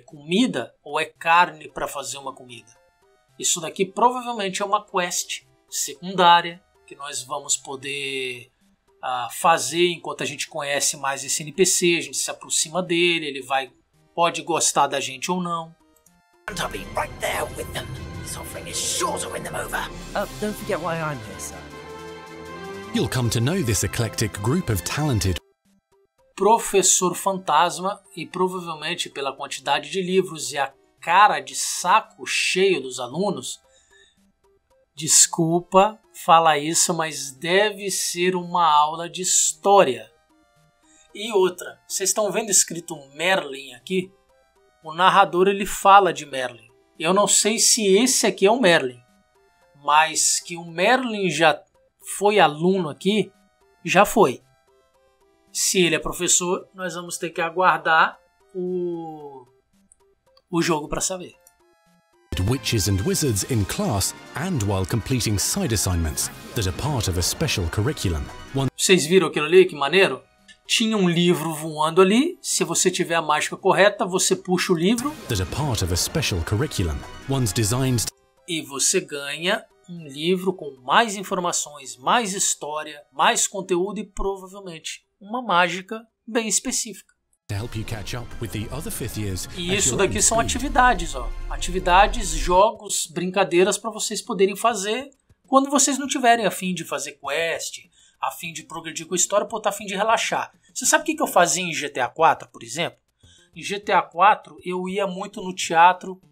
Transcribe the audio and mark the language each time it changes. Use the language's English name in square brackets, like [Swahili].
[Portuguese] É comida ou é carne para fazer uma comida? Isso daqui provavelmente é uma quest secundária que nós vamos poder fazer enquanto a gente conhece mais esse NPC, a gente se aproxima dele, ele vai, pode gostar da gente ou não. [English] I'll be right there with them. This offering is sure to win them over. Don't forget why I'm here, sir. You'll come to know this eclectic group of talented... [Portuguese] professor fantasma, e provavelmente pela quantidade de livros e a cara de saco cheio dos alunos, desculpa falar isso, mas deve ser uma aula de história. E outra, vocês estão vendo escrito Merlin aqui? O narrador, ele fala de Merlin. Eu não sei se esse aqui é o Merlin, mas que o Merlin já foi aluno aqui, já foi. Se ele é professor, nós vamos ter que aguardar o jogo para saber. [English] Witches and wizards in class and while completing side assignments that are part of a special curriculum. [Portuguese] Vocês viram aquilo ali? Que maneiro? Tinha um livro voando ali. Se você tiver a mágica correta, você puxa o livro. [English] That are part of a special curriculum. One's designed. [Portuguese] E você ganha um livro com mais informações, mais história, mais conteúdo e provavelmente uma mágica bem específica. [English] To help you catch up with the other fifth years. [Portuguese] E isso daqui são atividades, ó. Atividades, jogos, brincadeiras para vocês poderem fazer quando vocês não tiverem a fim de fazer quest, a fim de progredir com a história, ou tá a fim de relaxar. Você sabe o que eu fazia em GTA 4, por exemplo? Em GTA 4, eu ia muito no teatro.